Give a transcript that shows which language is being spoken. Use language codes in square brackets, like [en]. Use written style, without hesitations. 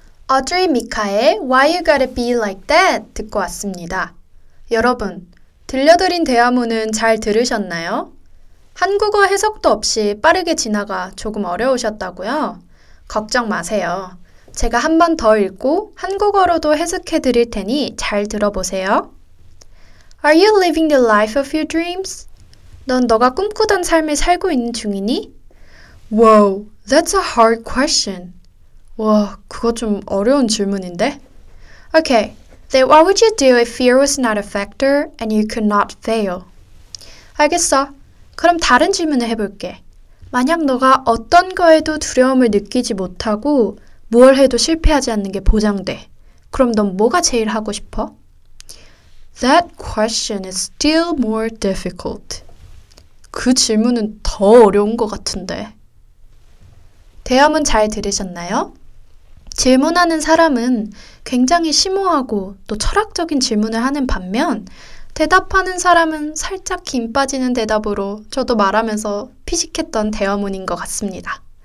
[ko] Audrey Mika의 Why You Gotta Be Like That 듣고 왔습니다. 여러분, 들려드린 대화문은 잘 들으셨나요? 한국어 해석도 없이 빠르게 지나가 조금 어려우셨다고요? 걱정 마세요. 제가 한 번 더 읽고 한국어로도 해석해 드릴 테니 잘 들어보세요. [en] Are you living the life of your dreams? [ko] 넌 너가 꿈꾸던 삶을 살고 있는 중이니? [en] Whoa, that's a hard question. [ko] 와, 그거 좀 어려운 질문인데? [en] Okay, then what would you do if fear was not a factor and you could not fail? [ko] 알겠어. 그럼 다른 질문을 해볼게. 만약 너가 어떤 거에도 두려움을 느끼지 못하고 무얼 해도 실패하지 않는 게 보장돼. 그럼 넌 뭐가 제일 하고 싶어? [en] That question is still more difficult. [ko] 그 질문은 더 어려운 것 같은데. 대화문 잘 들으셨나요? 질문하는 사람은 굉장히 심오하고 또 철학적인 질문을 하는 반면 대답하는 사람은 살짝 김 빠지는 대답으로 저도 말하면서 피식했던 대화문인 것 같습니다.